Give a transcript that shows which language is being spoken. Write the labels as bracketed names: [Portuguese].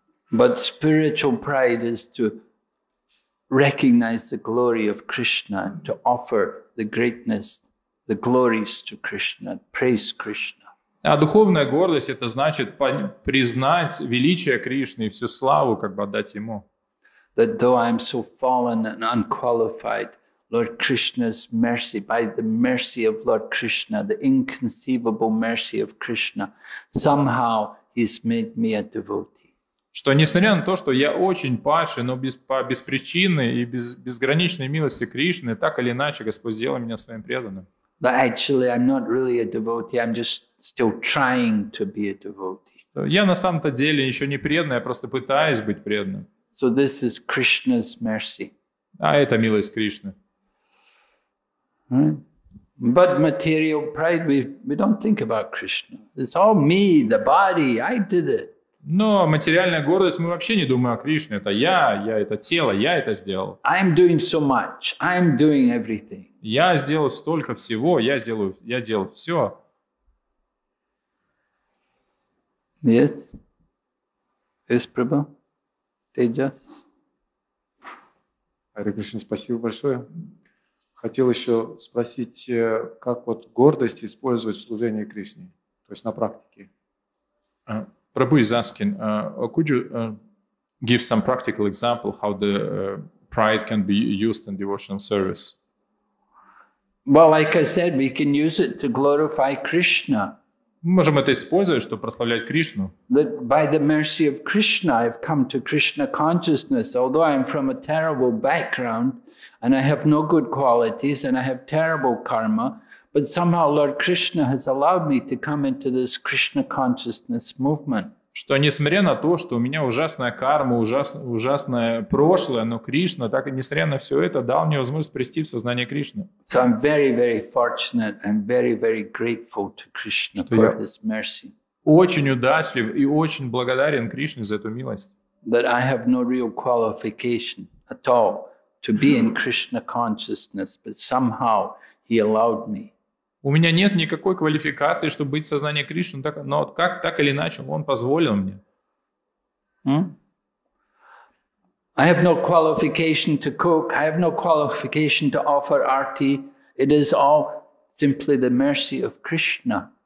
[English] But spiritual pride is to recognize the glory of Krishna and to offer the greatness, the glories to Krishna, praise Krishna. [Russian] А духовная гордость — это значит признать величие Кришны и всю славу как бы отдать ему. [English] That though I am so fallen and unqualified, Lord Krishna's mercy, by the mercy of Lord Krishna, the inconceivable mercy of Krishna, somehow he's made me a devotee. [Russian] Что несмотря на то, что я очень падший, но по беспричинной и безграничной милости Кришны, так или иначе Господь сделал меня своим преданным. [English] Actually, I'm not really a devotee. I'm just still trying to be a devotee. [Russian] Я на самом-то деле еще не преданный, я просто пытаюсь быть преданным. [English] So this is Krishna's mercy. [Russian] А это милость Кришны. [English] But material pride, we don't think about Krishna. It's all me, the body. I did it. [Russian] Но материальная гордость, мы вообще не думаем о Кришне. Это я это тело, я это сделал. [English] I'm doing so much. I'm doing everything. [Russian] Я сделал столько всего, я делал все. [English] Yes. Yes, Prabhu. Tejas. [Russian] Hare Krishna, спасибо большое. Хотел еще спросить, как вот гордость использовать в служении Кришне, то есть на практике? [English] Prabhu is asking, could you give some practical example how the pride can be used in devotional service? Well, like I said, we can use it to glorify Krishna. [Russian] Мы можем это использовать, чтобы прославлять Кришну. [English] That by the mercy of Krishna, I've come to Krishna consciousness. Although I'm from a terrible background, and I have no good qualities, and I have terrible karma, but somehow Lord Krishna has allowed me to come into this Krishna consciousness movement. [Russian] Что несмотря на то, что у меня ужасная карма, ужасное прошлое, но Кришна, так и несмотря на все это, дал мне возможность прийти в сознание Кришны. [English] So I'm very, very fortunate and very, very grateful to Krishna for his mercy. [Russian] Очень удачлив и очень благодарен Кришне за эту милость. [English] That I have no real qualification at all to be in Krishna consciousness, but somehow he allowed me. [Russian] У меня нет никакой квалификации, чтобы быть в сознании Кришны, но как так или иначе он позволил мне. [English] I have no qualification to cook. I have no qualification to offer arti. It is all simply the mercy of Krishna.